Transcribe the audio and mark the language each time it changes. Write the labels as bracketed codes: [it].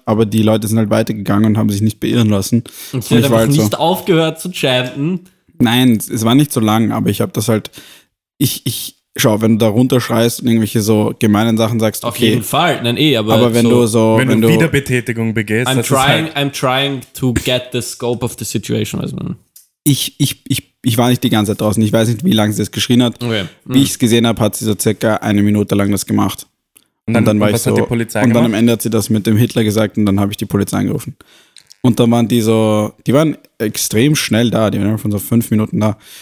[de] Aber die Leute sind halt weitergegangen und haben sich nicht beirren lassen. Und sie hat einfach halt nicht aufgehört zu chanten? Nein, es war nicht so lang, aber ich habe das halt... Schau, wenn du da runterschreist und irgendwelche so gemeinen Sachen sagst, okay. Auf jeden Fall, nein, aber wenn so, wenn du Wiederbetätigung begehst, [en] I'm trying to get the scope of the situation. [de] Ich war nicht die ganze Zeit draußen. Ich weiß nicht, wie lange sie das geschrien hat. Okay. Wie ich es gesehen habe, hat sie so circa eine Minute lang das gemacht. Und dann am Ende hat sie das mit dem Hitler gesagt und dann habe ich die Polizei angerufen. Und dann waren die so, die waren extrem schnell da. Die waren von so 5 Minuten da.